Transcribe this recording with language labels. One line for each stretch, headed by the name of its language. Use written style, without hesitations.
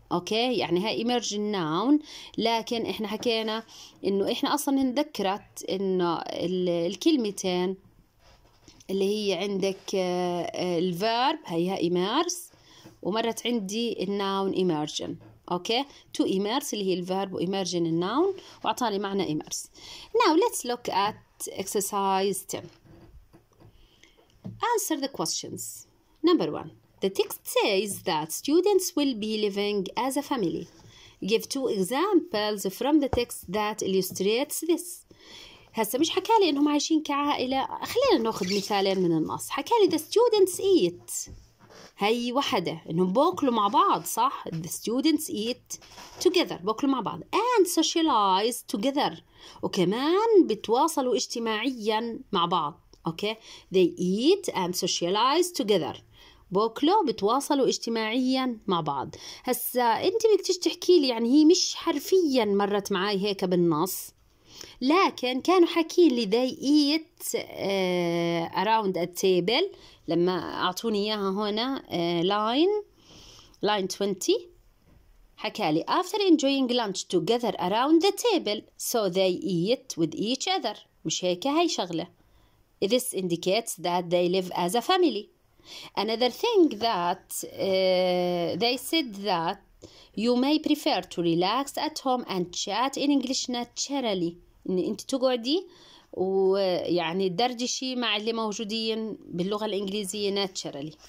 Arabic: اوكي, يعني هاي ايمرج الناون, لكن احنا حكينا انه احنا اصلا نذكرت انه الكلمتين اللي هي عندك الفيرب هيها ايمرس, ومرت عندي الناون ايمرجن. اوكي, تو ايمرس اللي هي الفيرب وايمرجن الناون, واعطاني معنى ايمرس.
English: Now let's look at exercise 10. Answer the questions. Number 1, the text says that students will be living as a family. Give two examples from the text that illustrates this.
Arabic: هسا مش حكالي انهم عايشين كعائلة. خلينا ناخذ مثالين من النص. حكالي
English: the students eat.
Arabic: هاي واحدة انهم باكلوا مع بعض, صح؟
English: The students eat together.
Arabic: باكلوا مع بعض.
English: And socialize together.
Arabic: وكمان بتواصلوا اجتماعيا مع بعض. Okay?
English: They eat and socialize together.
Arabic: بوكلو بتواصلوا اجتماعيا مع بعض. هسا انت بدكش تحكي لي, يعني هي مش حرفيا مرت معاي هيك بالنص, لكن كانوا حاكين لي
English: they eat around a table.
Arabic: لما اعطوني اياها هنا
English: line 20
Arabic: حكالي
English: after enjoying lunch together around the table, so they eat with each other.
Arabic: مش هيك هاي شغلة.
English: This indicates that they live as a family. Another thing that they said that you may prefer to relax at home and chat in English naturally.
Arabic: انت تقعدي ويعني تدردشي مع اللي موجودين باللغة الإنجليزية naturally.